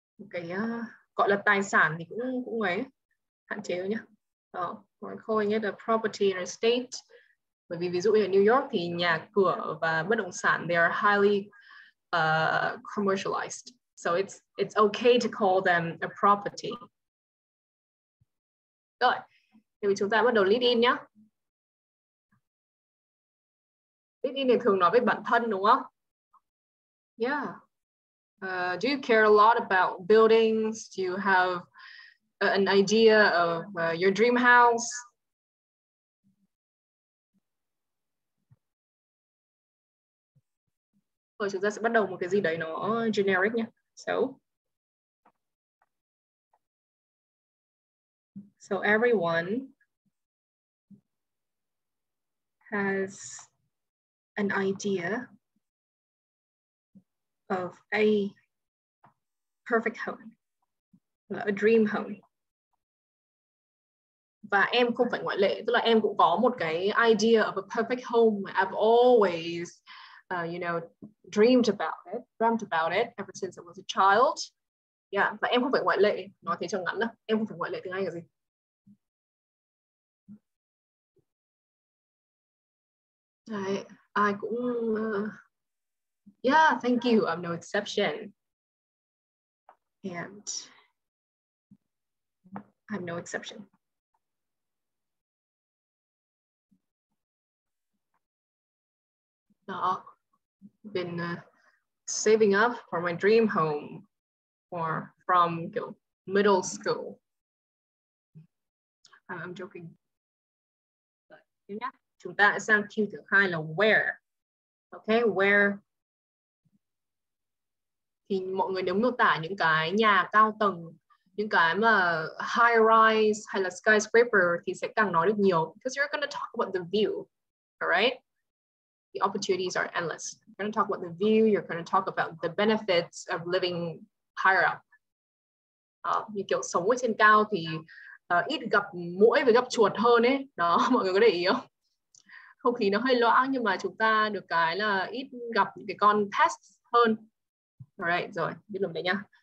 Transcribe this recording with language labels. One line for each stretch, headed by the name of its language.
Vietnamese: cái gọi là tài sản thì cũng ấy, hạn chế thôi nhá. Đó, gọi khôi nhất là property and estate. Bởi vì ví dụ như ở New York thì nhà cửa và bất động sản
English: they are highly commercialized. So it's okay to call them a property.
Vietnamese: Rồi, thì chúng ta bắt đầu lead in nhá. Lead in thì thường nói về bản thân đúng không?
English: Yeah. Do you care a lot about buildings? Do you have an idea of your dream house?
Vietnamese: Rồi chúng ta sẽ bắt đầu một cái gì đấy nó generic nhé.
English: So everyone has an idea of a perfect home, a dream home.
Vietnamese: Và em không phải ngoại lệ, tức là em cũng có một cái idea of a perfect home.
English: I've always, you know, dreamt about it ever since I was a child.
Vietnamese: Yeah, và em không phải ngoại lệ. Nói thế cho ngắn đó, em không phải ngoại lệ tiếng Anh là gì? Đấy, ai cũng...
English: Yeah, thank you. I'm no exception. And I'm no exception. Đó. Been saving up for my dream home or from middle school. I'm joking.
Vietnamese: Chúng ta sang Q thứ hai là where. Okay, where. Thì mọi người nếu miêu tả những cái nhà cao tầng, những cái mà high rise hay là skyscraper thì sẽ càng nói được nhiều.
English: Because you're going to talk about the view, all right? The opportunities are endless. You're going to talk about the view, you're going to talk about the benefits of living higher up.
Vietnamese: Như kiểu sống ở trên cao thì ít gặp muỗi và gặp chuột hơn ấy. Đó, mọi người có để ý không? Không khí nó hơi loãng nhưng mà chúng ta được cái là ít gặp những cái con pests hơn. Alright, rồi, biết lùm đấy nhá.